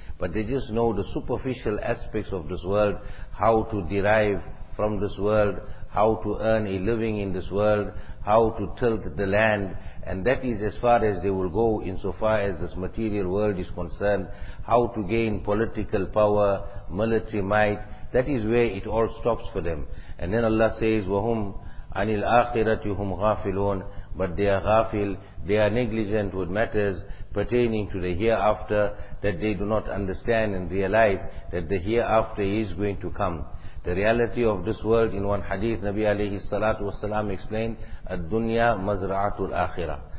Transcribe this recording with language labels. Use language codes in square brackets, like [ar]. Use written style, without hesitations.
[en] but they just know the superficial aspects of this world, how to derive from this world, how to earn a living in this world, how to tilt the land, and that is as far as they will go insofar as this material world is concerned, how to gain political power, military might, that is where it all stops for them. And then Allah says, [ar] وَهُمْ عَنِ الْآخِرَةِ هُمْ غَافِلُونَ. [en] But they are ghafil, they are negligent with matters pertaining to the hereafter, that they do not understand and realize that the hereafter is going to come. The reality of this world, in one hadith, Nabi alayhi salatu wasalam explained, [ar] الدُّنْيَا مَزْرَعَةُ الْآخِرَةِ.